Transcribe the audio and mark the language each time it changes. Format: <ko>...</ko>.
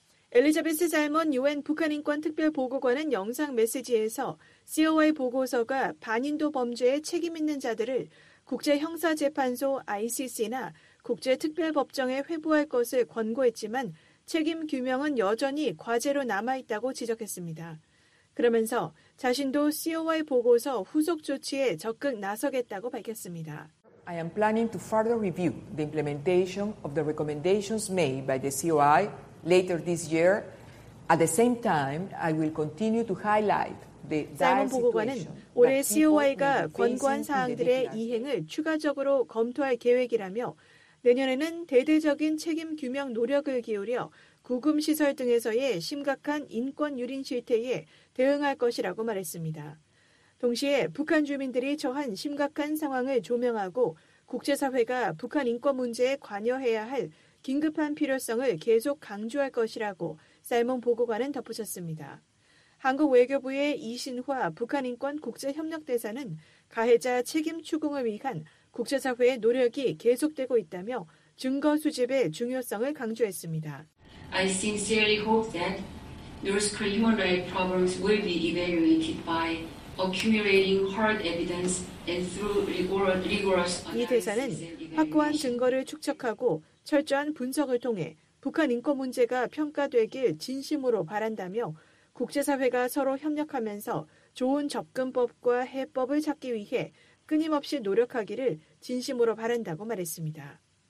<ko>엘리자베스 잘먼 UN 북한인권특별보고관은 영상 메시지에서 COI 보고서가 반인도 범죄에 책임 있는 자들을 국제형사재판소 ICC나 국제특별법정에 회부할 것을 권고했지만 책임 규명은 여전히 과제로 남아있다고 지적했습니다. 그러면서 자신도 COI 보고서 후속 조치에 적극 나서겠다고 밝혔습니다.</ko> <en>I am planning to further review the implementation of the recommendations made by the COI later this year At the same time, I will continue to highlight</en> <ko>사이먼 보고관은 올해 COI가 권고한 사항들의 이행을 추가적으로 검토할 계획이라며 내년에는 대대적인 책임 규명 노력을 기울여 구금시설 등에서의 심각한 인권 유린 실태에 대응할 것이라고 말했습니다. 동시에 북한 주민들이 처한 심각한 상황을 조명하고 국제사회가 북한 인권 문제에 관여해야 할 긴급한 필요성을 계속 강조할 것이라고 사이먼 보고관은 덧붙였습니다. 한국 외교부의 이신화 북한인권국제협력대사는 가해자 책임 추궁을 위한 국제사회의 노력이 계속되고 있다며 증거 수집의 중요성을 강조했습니다.</ko> <en>I sincerely hope that North Korean human rights problems will be evaluated by accumulating hard evidence and through rigorous analysis.</en> <ko>이 대사는 확고한 증거를 축적하고 철저한 분석을 통해 북한 인권 문제가 평가되길 진심으로 바란다며 국제사회가 서로 협력하면서 좋은 접근법과 해법을 찾기 위해 끊임없이 노력하기를 진심으로 바란다고 말했습니다.</ko>